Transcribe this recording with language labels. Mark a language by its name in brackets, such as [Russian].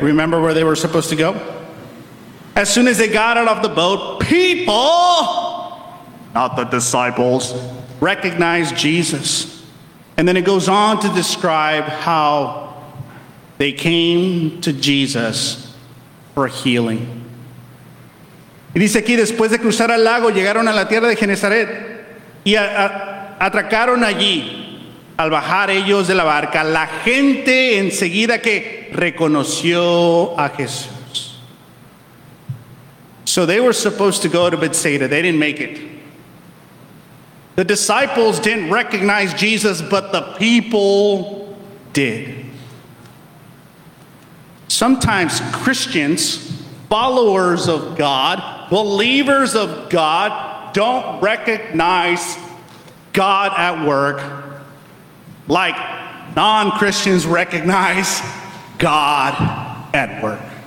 [English] Remember where they were supposed to go? As soon as they got out of the boat, people, not the disciples, recognized Jesus. And then it goes on to describe how they came to Jesus for healing. [Spanish] Y dice aquí, después de cruzar al lago, llegaron a la tierra de Genezaret y atracaron allí. Al bajar ellos de la barca, la gente enseguida que reconoció a Jesús. [English] So they were supposed to go to Bethsaida. They didn't make it. The disciples didn't recognize Jesus, but the people did. Sometimes Christians, followers of God, believers of God, don't recognize God at work like non-Christians recognize God at work.